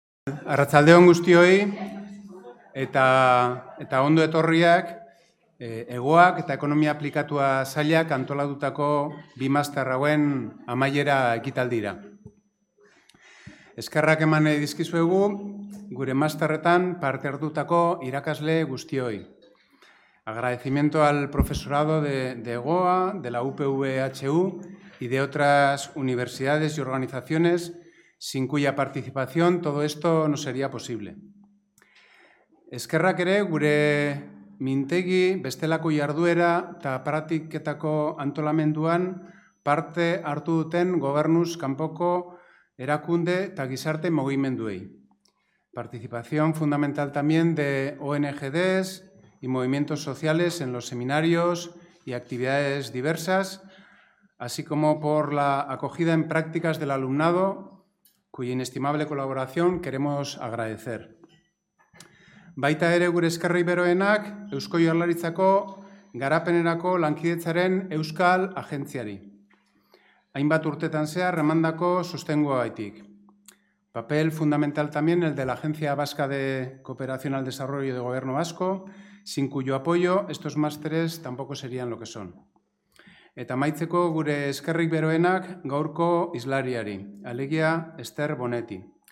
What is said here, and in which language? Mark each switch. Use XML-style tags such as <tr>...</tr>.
<eu>Arratsaldeon guztioi eta ondo etorriak egoak eta ekonomia aplikatua sailak antolatutako bi master hauen amaiera ekitaldira. Eskerrak eman nahi dizkizuegu gure masterretan parte hartutako irakasle guztioi.</eu> <es>Agradecimiento al profesorado de EGOA, de la UPVHU y de otras universidades y organizaciones sin cuya participación todo esto no sería posible.</es> <eu>Eskerrak ere gure mintegi bestelako jarduera eta praktiketako antolamenduan parte hartu duten gobernuz kanpoko erakunde eta gizarte mugimenduei.</eu> <es>Participación fundamental también de ONGDs y movimientos sociales en los seminarios y actividades diversas, así como por la acogida en prácticas del alumnado, cuya inestimable colaboración queremos agradecer.</es> <eu>Baita ere gure eskerrei beroenak Eusko Jaurlaritzako garapenerako lankidetzaren Euskal Agentziari. Hainbat urtetan zehar emandako sostengoagatik.</eu> <es>Papel fundamental también el de la Agencia Vasca de Cooperación al Desarrollo de Gobierno Vasco, sin cuyo apoyo estos másteres tampoco serían lo que son.</es> <eu>Eta maitzeko gure eskerrik beroenak gaurko islariari, alegia Esther Bonetti.</eu>